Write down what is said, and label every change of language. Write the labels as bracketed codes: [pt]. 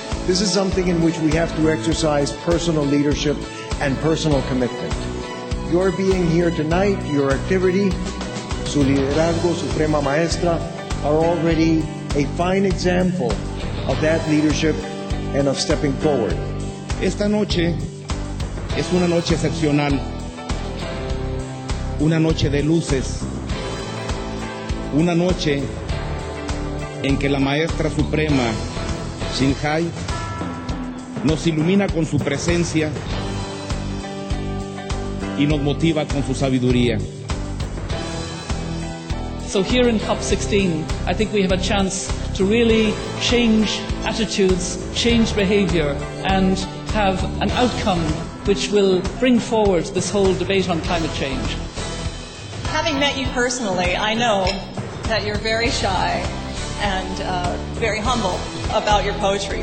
[en] This is something in which we have to exercise personal leadership and personal commitment. Your being here tonight, your activity, [es] su liderazgo, suprema maestra, [en] are already a fine example of that leadership and of stepping forward. [es] Esta noche es una noche excepcional, una noche de luces, una noche en que la Maestra Suprema Xinhai nos ilumina con su presencia y nos motiva con su sabiduría. [en] So here in COP16, I think we have a chance to really change attitudes, change behavior, and have an outcome which will bring forward this whole debate on climate change. Having met you personally, I know that you're very shy and very humble about your poetry.